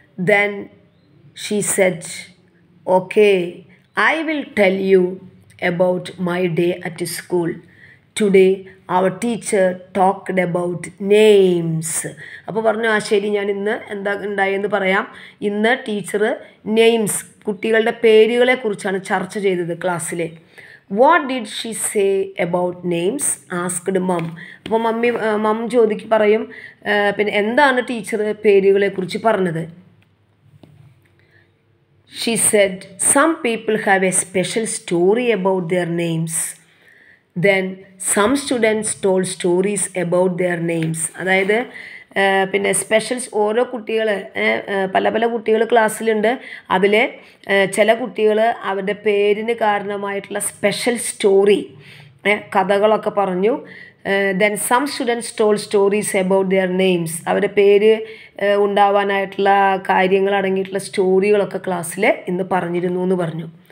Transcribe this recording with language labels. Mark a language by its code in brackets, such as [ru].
[en] Then she said, okay, I will tell you about my day at school. Today our teacher talked about names. [ml] അപ്പോൾ പറഞ്ഞു, ആ ശരി, ഞാൻ ഇന്ന് എന്താ ഉണ്ടായെന്ന് പറയാം. ഇന്ന് ടീച്ചർ നെയിംസ്, കുട്ടികളുടെ പേരുകളെക്കുറിച്ചാണ് ചർച്ച ചെയ്തത് ക്ലാസ്സിലെ. [en] What did she say about names? Asked mom. [ml] അപ്പോൾ മമ്മി മം ചോദിക്ക് പറയും, പിന്നെ എന്താണ് ടീച്ചർ പേരുകളെക്കുറിച്ച് പറഞ്ഞത്. [en] She said, some people have a special story about their names. Then some students told stories about their names. [ml] അതായത് പിന്നെ സ്പെഷ്യൽസ്, ഓരോ കുട്ടികൾ പല പല കുട്ടികൾ ക്ലാസ്സിലുണ്ട്, അതിൽ ചില കുട്ടികൾ അവരുടെ പേരിന് കാരണമായിട്ടുള്ള സ്പെഷ്യൽ സ്റ്റോറി കഥകളൊക്കെ പറഞ്ഞു. [en] then some students told stories about their names [ml] അവരുടെ പേര് ഉണ്ടാവാനായിട്ടുള്ള കാര്യങ്ങൾ അടങ്ങിയിട്ടുള്ള സ്റ്റോറികളൊക്കെ ക്ലാസ്സിൽ ഇന്ന് പറഞ്ഞിരുന്നു എന്ന് പറഞ്ഞു.